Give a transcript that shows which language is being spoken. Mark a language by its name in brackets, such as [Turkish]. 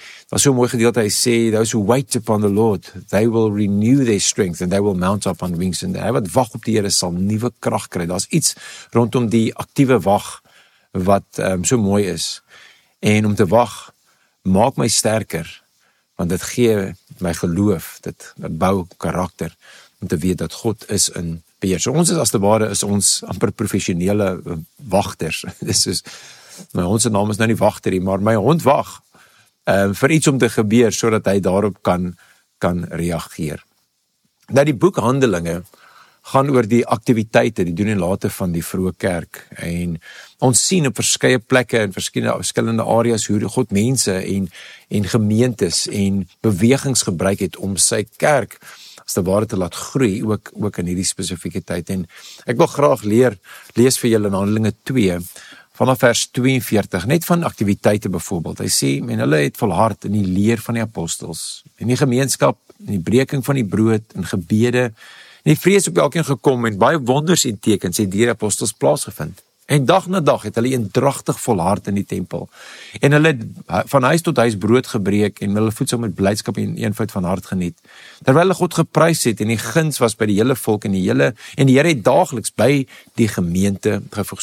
[Afrikaans] Was so mooi gedeelte, hy sê, [English] those who wait upon the Lord, they will renew their strength and they will mount up on wings. [Afrikaans] En hy wat wag op die Here sal nuwe krag kry. Daar's iets rondom die aktiewe wag wat so mooi is. En om te wag maak my sterker, want dit gee my geloof, dit bou karakter, om te weet dat God is in beheer. So ons is, as te ware, is ons amper professionele wagters. Dis soos, my hond se naam is nou nie wagterie, maar my hond wag vir iets om te gebeur, sodat hy daarop kan reageer. Nou die boek Handelinge gaan oor die aktiwiteite, die doen en late van die vroeë kerk. En ons sien op verskeie plekke en verskillende areas hoe God mense en gemeentes en bewegings gebruik het om sy kerk as te ware te laat groei, ook in hierdie spesifieke tyd. En ek wil graag lees vir julle in Handelinge 2, vanaf vers 42, net van aktiwiteite bijvoorbeeld. Hy sê, en hulle het volhard in die leer van die apostels, in die gemeenskap, in die breking van die brood, in gebede, en die vrees op elkeen gekom, en baie wonders en tekens het die apostels plaasgevind. En dag na dag het hulle eendragtig volhard in die tempel, en hulle van huis tot huis brood gebreek, en hulle voedsel met blydskap en eenvoud van hart geniet, terwyl hulle God geprys het, en die guns was by die hele volk, en die Here het dageliks by die gemeente gevoeg.